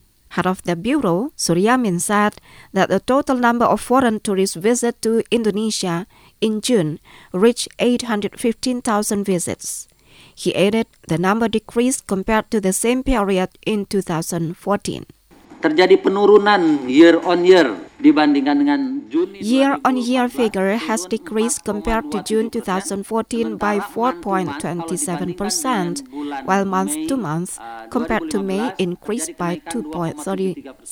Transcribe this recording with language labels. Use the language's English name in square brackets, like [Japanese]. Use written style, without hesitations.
[English] Head of the Bureau, Suryamin, said that the total number of foreign tourists visit to Indonesia in June reached 815,000 visits. He added the number decreased compared to the same period in 2014. [Indonesian] Terjadi penurunan [English] year on year [Indonesian] dibandingkan dengan June. [English] Year on year figure has decreased compared to June 2014 by 4.27%, while month to month compared to May increased by 2.73%.